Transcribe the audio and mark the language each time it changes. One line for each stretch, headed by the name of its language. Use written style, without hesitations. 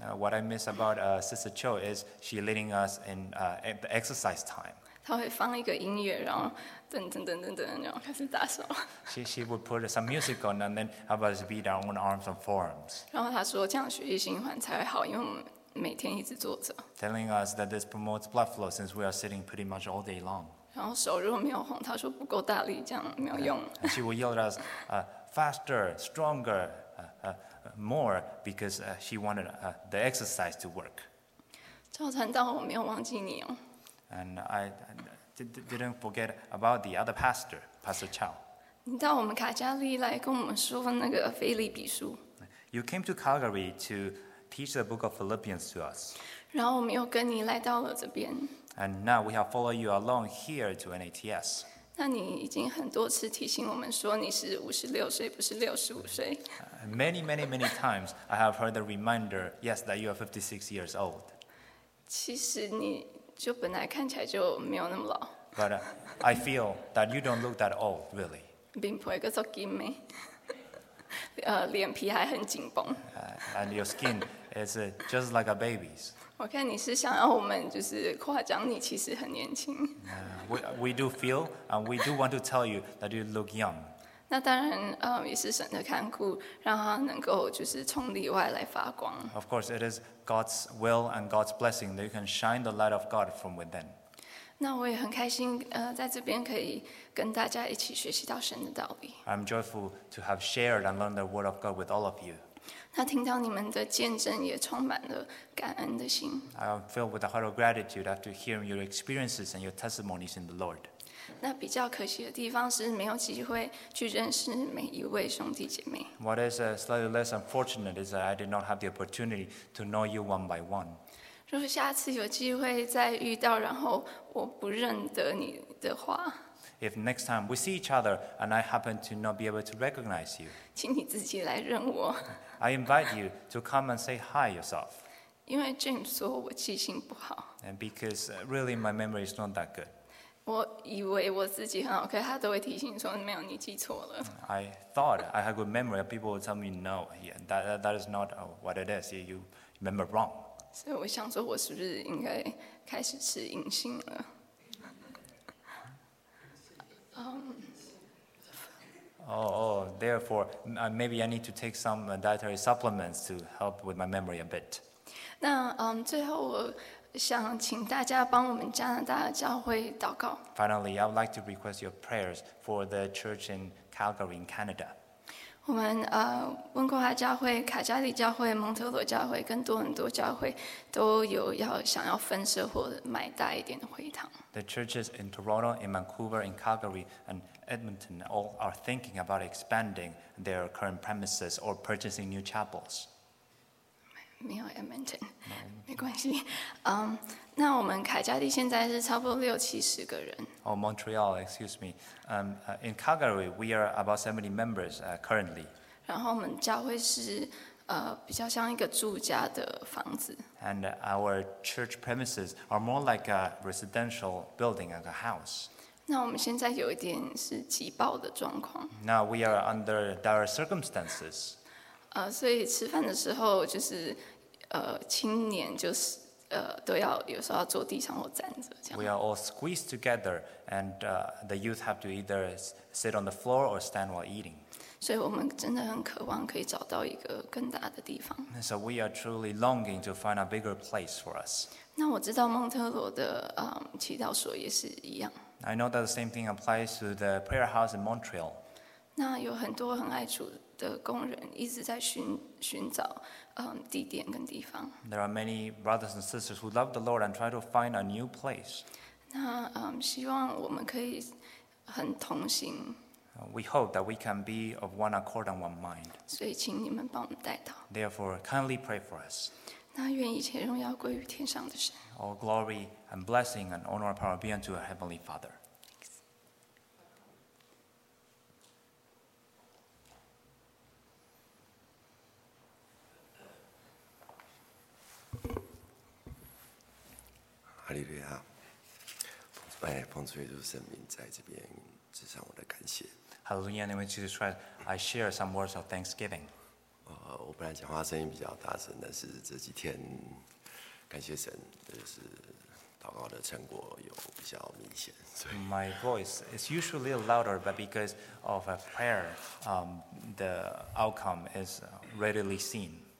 English: What I miss about Sister Cho is she leading us in the exercise time.
Chinese: 她会放一个音乐，然后噔噔噔噔噔，然后开始打手。
English: She would put some music on and then have us beat our own arms and forearms.
Chinese: 然后她说这样血液循环才会好，因为我们每天一直坐着。
English: Telling us that this promotes blood flow since we are sitting pretty much all day long.
Chinese: 然后手如果没有红，他说不够大力，这样没有用。
English: And she will yell at us, faster, stronger, more, because she wanted the exercise to work.
Chinese: 赵传道，我没有忘记你哦。
English: And I didn't forget about the other pastor, Pastor Chow.
Chinese: 你到我们卡加利来跟我们说那个腓立比书。
English: You came to Calgary to teach the book of Philippians to us.
Chinese: 然后我们又跟你来到了这边。
English: And now we have followed you along here to NATS.
Chinese: 那你已经很多次提醒我们说你是56岁，不是65岁。
English: Many, many, many times I have heard the reminder, yes, that you are 56 years old.
Chinese: 其实你就本来看起来就没有那么老。
English: But I feel that you don't look that old, really.
Chinese: 并不会个做金眉，脸皮还很紧绷。
English: And your skin is just like a baby's.
Chinese: 我看你是想要我们就是夸奖你其实很年轻。
English: We do feel and we do want to tell you that you look young.
Chinese: 那当然，也是神的看顾，让他能够就是从里外来发光。
English: Of course, it is God's will and God's blessing that you can shine the light of God from within.
Chinese: 那我也很开心，在这边可以跟大家一起学习到神的道理。
English: I'm joyful to have shared and learned the word of God with all of you.
Chinese: 那听到你们的见证，也充满了感恩的心。
English: I'm filled with a heart of gratitude after hearing your experiences and your testimonies in the Lord.
Chinese: 那比较可惜的地方是没有机会去认识每一位兄弟姐妹。
English: What is slightly less unfortunate is that I did not have the opportunity to know you one by one.
Chinese: 如果下次有机会再遇到，然后我不认得你的话
English: ，If next time we see each other and I happen to not be able to recognize you，
Chinese: 请你自己来认我。
English: I invite you to come and say hi yourself。
Chinese: 因为 James 说我记性不好
English: ，And because really my memory is not that good。
Chinese: 我以为我自己很好，可他都会提醒说没有，你记错了。
English: I thought I had good memory, people would tell me no, yeah, that is not what it is. You remember wrong.
Chinese: 所以我想说，我是不是应该开始吃银杏了？
English: Therefore, maybe I need to take some dietary supplements to help with my memory a bit.
Chinese: 那最后我想请大家帮我们加拿大教会祷告。
English: Finally, I would like to request your prayers for the church in Calgary, in Canada.
Chinese: 我们温哥华教会、卡加里教会、蒙特罗教会跟多伦多教会都有想要分社或买大一点的会堂。
English: The churches in Toronto, in Vancouver, in Calgary, and Edmonton all are thinking about expanding their current premises or purchasing new chapels.
Chinese: 没有 Edmonton， 没关系。那我们卡加里现在是差不多六七十个人。
English: Oh, Montreal, excuse me. In Calgary, we are about 70 members currently.
Chinese: 然后我们教会是比较像一个住家的房子。
English: And our church premises are more like a residential building, like a house.
Chinese: 那我们现在有一点是挤爆的状况。
English: Now we are under dire circumstances.
Chinese: 所以吃饭的时候就是青年就是。都要有时候要坐地上或站着这样。
English: We are all squeezed together, and the youth have to either sit on the floor or stand while eating.
Chinese: 所以我们真的很渴望可以找到一个更大的地方。
English: So we are truly longing to find a bigger place for us.
Chinese: 那我知道蒙特罗的祈祷所也是一样。
English: I know that the same thing applies to the prayer house in Montreal.
Chinese: 那有很多很爱主的工人一直在寻找。地点跟地方。
English: There are many brothers and sisters who love the Lord and try to find a new place.
Chinese: 那希望我们可以很同心。
English: We hope that we can be of one accord and one mind.
Chinese: 所以请你们帮我们带祷。
English: Therefore, kindly pray for us.
Chinese: 那愿一切荣耀归于天上的神。
English: All glory and blessing and honor and power be unto our Heavenly Father.
Chinese: 哈利路亚！奉主耶稣圣名，在这边致上我的感谢。
English: Hallelujah, name of Jesus Christ. I share some words of thanksgiving.
Chinese: 我本来讲话声音比较大声，但是这几天感谢神，就是祷告的成果有比较明显。
English: My voice is usually louder, but because of a prayer, the outcome is readily seen.